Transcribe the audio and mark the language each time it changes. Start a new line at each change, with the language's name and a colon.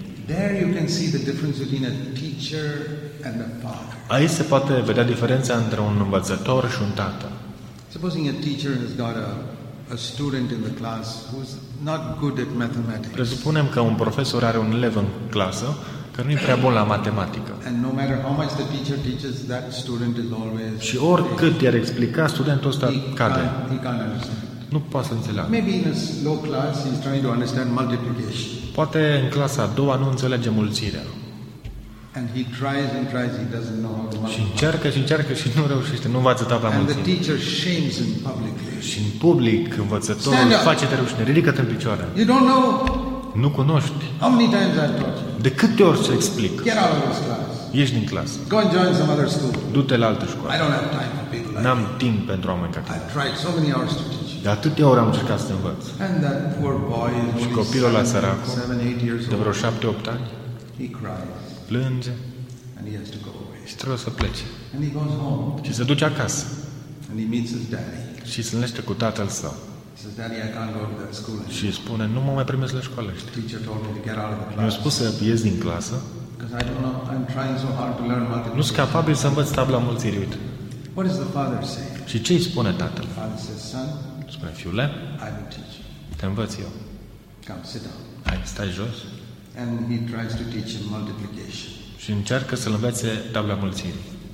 English: There you can see the difference between a teacher and a father.
Romanian: Aici se poate vedea diferența între un învățător și un tată.
English: Supposing a teacher has got a student in the class who's not good at mathematics.
Romanian: Presupunem că un profesor are un elev în clasă care nu e prea bun la matematică.
English: And no matter how much the teacher teaches, that student is always.
Romanian: Și oricât i-ar explica, studentul ăsta cade.
English: He can't understand.
Romanian: Nu poate să înțeleagă.
English: Maybe in a low class he's trying to understand multiplication.
Romanian: Poate în clasa a doua nu înțelege mulțirea.
English: And he tries and tries, he doesn't know how to multiply.
Romanian: Și încearcă și încearcă și nu reușește, nu învață tabla
English: and
Romanian: mulțirii.
English: And the teacher shames him publicly.
Romanian: Și în public învățătorul face-te rușine, ridică-te în picioare.
English: You don't know.
Romanian: Nu cunoști.
English: How many times I've taught you?
Romanian: De câte ori ți-o explic?
English: Get out of this class.
Romanian: Ieși din clasă.
English: Go and join some other school.
Romanian: Du-te la altă școală.
English: I don't have time for people like
Romanian: n-am timp pentru oameni ca tine.
English: I've tried so many hours to teach.
Romanian: De atâtea ori am încercat să te învăț.
English: And that poor boy,
Romanian: și copilul ăla săracu, de vreo 7-8 ani,
English: he cries.
Romanian: Plânge.
English: And he has to go away.
Romanian: Și trebuie să plece.
English: And he goes home.
Romanian: Și se duce acasă.
English: And he meets his daddy.
Romanian: Și se întâlnește cu tatăl său.
English: Says, daddy, I can't go to that school.
Romanian: Și spune, nu mă mai primesc la școală.
English: The teacher told me to get out of the class.
Romanian: Mi-a spus să ies din clasă.
English: Because I don't know, I'm trying so hard to learn multiplication.
Romanian: Nu sunt capabil să învăț tabla mulțirii, uite.
English: What does the father say?
Romanian: Și ce îi spune tatăl?
English: The father says, son,
Romanian: spune, fiule,
English: I will teach you.
Romanian: Te învăț eu.
English: Come, sit down.
Romanian: Hai, stai jos.
English: And he tries to teach him multiplication.
Romanian: Și încearcă să-l învețe tabla mulțirii.